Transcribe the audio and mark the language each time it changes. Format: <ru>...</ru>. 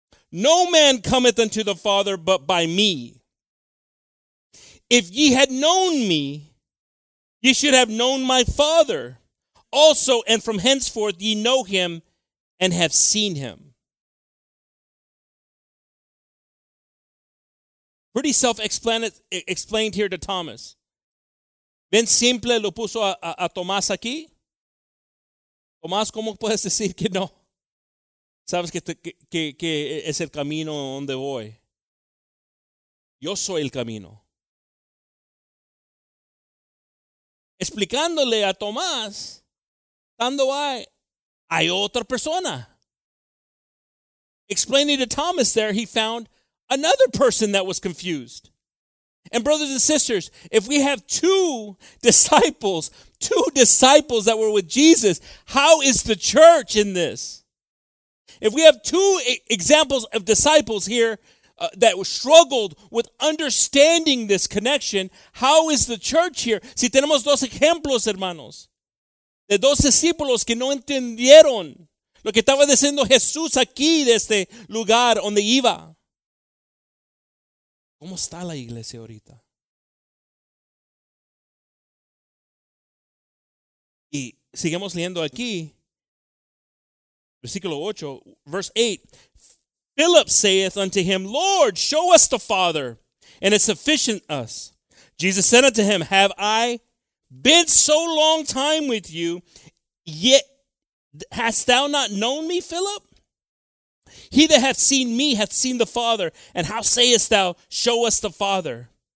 <en>No man cometh unto the Father but by me. If ye had known me, ye should have known my Father also, and from henceforth ye know him and have seen him. Pretty self-explained here to Thomas.</en> <es>Bien simple lo puso a Tomás aquí. Tomás, ¿cómo puedes decir que no? Sabes que es el camino donde voy. Yo soy el camino. Explicándole a Tomás, dando hay otra persona.</es> <en>Explaining to Thomas there, he found another person that was confused. And brothers and sisters, if we have two disciples that were with Jesus, how is the church in this? If we have two examples of disciples here that struggled with understanding this connection, how is the church here?</en> <es>Si tenemos dos ejemplos, hermanos, de dos discípulos que no entendieron lo que estaba diciendo Jesús aquí de este lugar donde iba. ¿Cómo está la iglesia ahorita? Y seguimos leyendo aquí, versículo 8,</es> <en>verse 8. Philip saith unto him, Lord, show us the Father, and it's sufficient us. Jesus said unto him, have I been so long time with you, yet hast thou not known me, Philip? He that hath seen me hath seen the Father. And how sayest thou, show us the Father?</en>